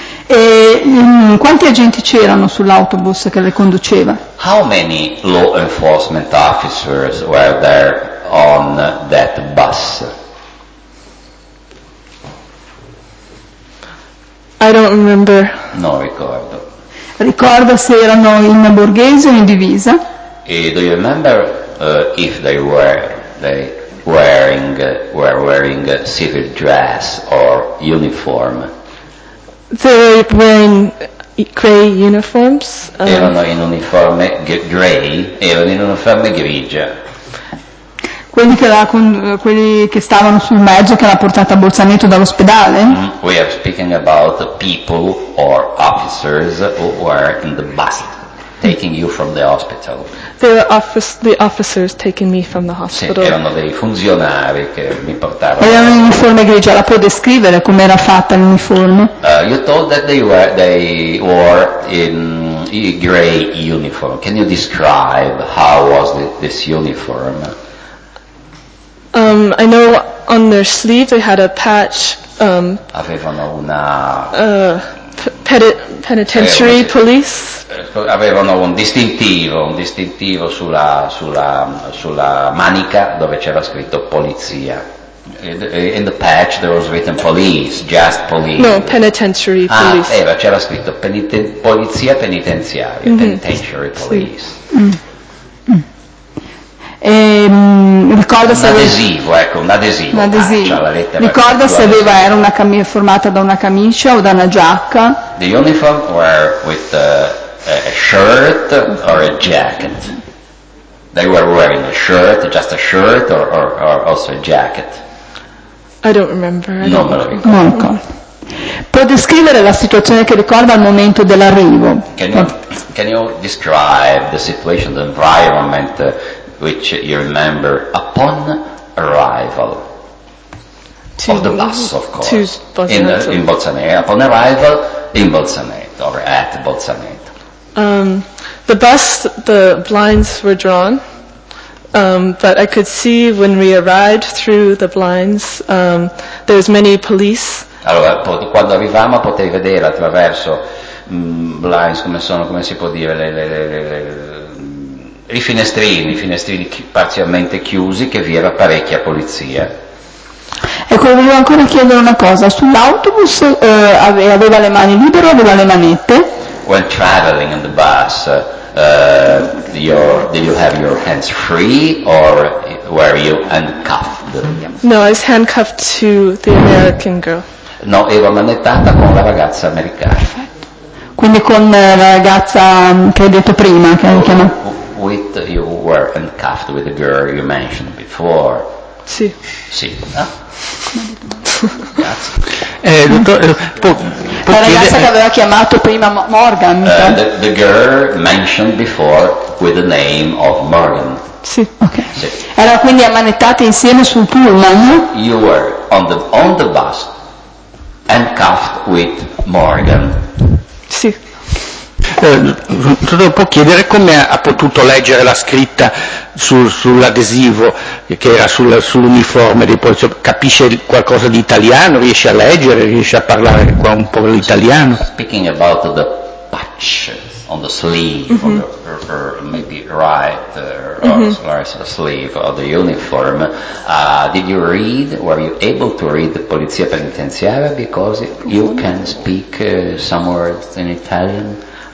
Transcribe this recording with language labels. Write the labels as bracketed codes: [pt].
[it] E quanti agenti c'erano sull'autobus che le conduceva? [en] How many law enforcement officers were there on that bus? I don't remember. [it] Non ricordo. Ricorda se erano in borghese o in divisa? [en] Do you remember if they were they were wearing a civil dress or uniform. They were wearing grey uniforms. [it] Erano in uniforme grey, erano in uniforme grigia. Quelli che, la, con, quelli che stavano sul mezzo che l'ha portata a Bolzaneto dall'ospedale? [en] We are speaking about the people or officers who were in the bus taking you from the hospital. They were the officers taking me from the hospital. [it] Sì, erano dei funzionari che mi portavano. Erano in uniforme grigia, la puoi descrivere come era fatta l'uniforme? [en] You told that they wore in grey uniform. Can you describe how was this uniform? I know on their sleeve they had a patch. [it] Avevano una [en] penitentiary police. [it] Avevano un distintivo sulla manica dove c'era scritto polizia. [en] In the patch there was written police, just police. No, penitentiary police. [it] Ah, c'era scritto polizia penitenziaria, [en] penitentiary police. [it] Sì. Mm. E, ricorda un se adesivo, aveva, ecco, un adesivo. Un adesivo. Ah, cioè ricorda se aveva era una camicia formata da una camicia o da una giacca. [en] The uniform were with a shirt or a jacket. They were wearing a shirt, just a shirt or also a jacket. I don't remember. [it] Non me lo ricordo. Può descrivere la situazione che ricorda al momento dell'arrivo? [en] Can you describe the situation, the environment? Which you remember upon arrival to of the bus, of course, in Bolzaneto. Upon arrival in Bolzaneto or at Bolzaneto. The bus, the blinds were drawn, but I could see when we arrived through the blinds, there was many police. [it] Allora, quando arrivamo potevi vedere attraverso blinds come sono, come si può dire i finestrini parzialmente chiusi, che vi era parecchia polizia. Ecco, volevo ancora chiedere una cosa. Sull'autobus aveva le mani libere o aveva le manette? [en] When traveling in the bus, did you have your hands free or were you handcuffed? No, I was handcuffed to the American girl. [it] No, ero manettata con la ragazza americana. Perfetto. Quindi con la ragazza che hai detto prima, che hai chiamato? [en] With you were handcuffed with the girl you mentioned before. [it] Sì. Sì. Grazie. La ragazza che aveva chiamato prima Morgan. [en] The girl mentioned before with the name of Morgan. [it] Sì. Okay. Sì. Era quindi ammanettata insieme sul pullman. [en] You were on the bus handcuffed with Morgan. [it] Sì. Può chiedere come ha potuto leggere la scritta sull'adesivo che era sull'uniforme dei poliziotti? Capisce qualcosa di italiano? Riesce a leggere? Riesce a parlare qua un po' l'italiano? [en] Speaking about the patch on the sleeve, or maybe right sleeve of the uniform, did you read? Were you able to read the polizia penitenziaria? Because you can speak some words in Italian.